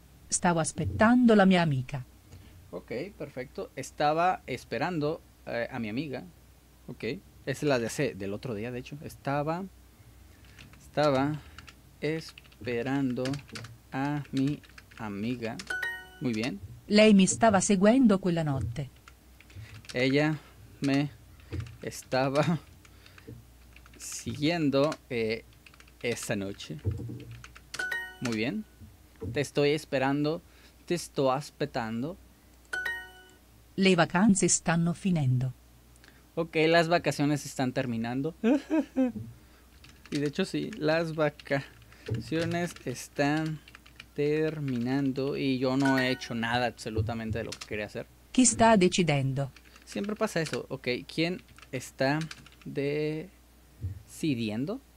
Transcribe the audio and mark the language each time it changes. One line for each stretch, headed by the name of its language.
Spanish: Estaba esperando a mi amiga. Ok, perfecto. Estaba esperando a mi amiga. Ok. Es la de hace, del otro día, de hecho. Estaba esperando a mi amiga. Muy bien.
Italian: Lei me estaba seguendo quella notte.
Spanish: Ella me estaba siguiendo esa noche. Muy bien. Te estoy esperando. Te estoy
Italian: aspettando. Le vacanze stanno finendo.
Spanish: Ok, las vacaciones están terminando. Y de hecho sí, las vacaciones están terminando y yo no he hecho nada absolutamente de lo que quería hacer. ¿Qué está decidiendo? Siempre pasa eso. Ok, ¿quién está decidiendo?